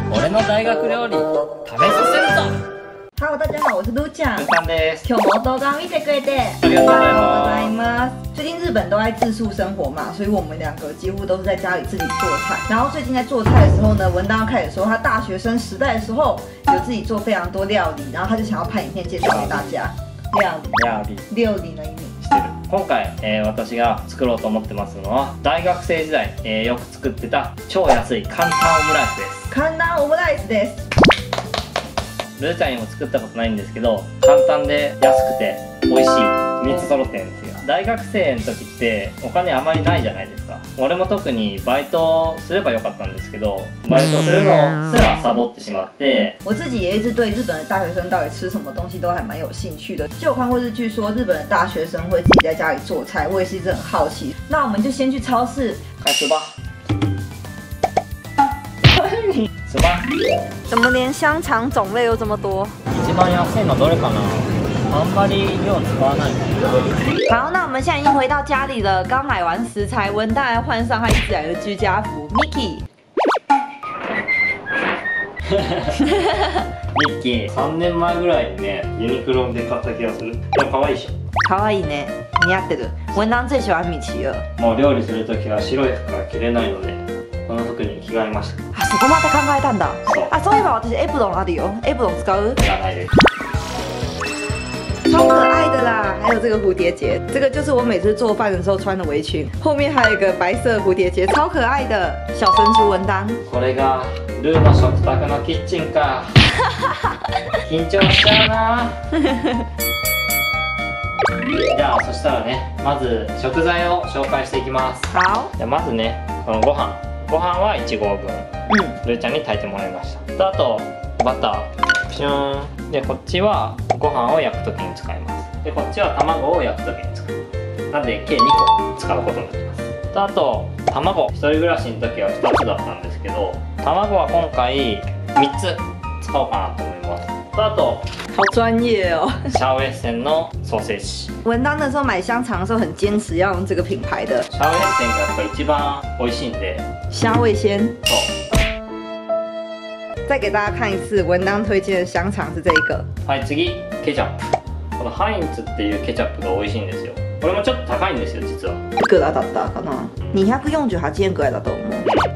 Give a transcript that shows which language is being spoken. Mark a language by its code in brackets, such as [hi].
[ja] の大学料理食べさせるぞ。 [zh] ハロー、大家好、我是ルーちゃん。 [ja] ルーさんです。今日も動画見てくれてありがとうございます。 [zh] 最近日本都在自宿生活嘛，所以我们两个几乎都是在家里自己做菜。然后最近在做菜的时候呢，文当开始说他大学生时代的时候有自己做非常多料理，然后他就想要拍影片介绍给大家。 [ja] 料理の意味してる。今回、私が作ろうと思ってますのは、大学生時代、よく作ってた超安い簡単オムライスです。簡単オムライスです。ルーちゃんにも作ったことないんですけど、簡単で安くて美味しい3つ揃ってるんですよ。大学生の時ってお金あまりないじゃないですか。俺も特にバイトすればよかったんですけど、バイトするのすらサボってしまって。 [zh] 我自己也一直对日本的大学生到底吃什么东西都还蛮有兴趣的，就有看过日剧说日本的大学生会自己在家里做菜，我也是一直很好奇。那我们就先去超市开始吧。怎么连香肠种类有这么多？ [ja] 一番安いのどれかな？あんまり量使わない。 [zh] 好，那我们现在已经回到家里了，刚买完食材，文旦还换上他一直来的居家服 ，Miki。 [ja] Miki， 三年前ぐらいにね、ユニクロで買った気がする。でも可愛いでしょ。可愛いね、似合ってる。 [zh] 文旦最喜欢米奇了。 [ja] もう料理するときは白い服が着れないので。この服に着替えました。あ、そこまで考えたんだ。そう、あ、そういえば私エプロンあるよ。エプロン使う？いらないです。 [zh] 超可愛的啦。还有这个蝴蝶结，这个就是我每次做饭的时候穿的围裙，后面还有一个白色蝴蝶结，超可爱的小神竹文丹。 [ja] これがルーの食卓のキッチンか。緊張しちゃうな。じゃあそしたらね、まず食材を紹介していきます。好。じゃあまずね、このご飯、ご飯は1合分、ルーちゃんに炊いてもらいました。あとバター、ピューンで、こっちはご飯を焼くときに使います。でこっちは卵を焼くときに使う。なんで計2個使うことになります。あと卵、一人暮らしのときは2つだったんですけど、卵は今回3つ使おうかなと思います。あと [zh] 好专业哦。 [ja] シャウエッセンのソーセージ。 [zh] 文丹的时候买香肠的时候很坚持要用这个品牌的。 [ja] シャウエッセンがやっぱ一番美味しいんで。 [zh] 虾味鲜。 [ja] そう。 [zh] 再给大家看一次文丹推荐的香肠是这一个。 [ja] はい、次ケチャップ。このハインツっていうケチャップが美味しいんですよ。これもちょっと高いんですよ実は。いくらだったかな？248円ぐらいだと思う。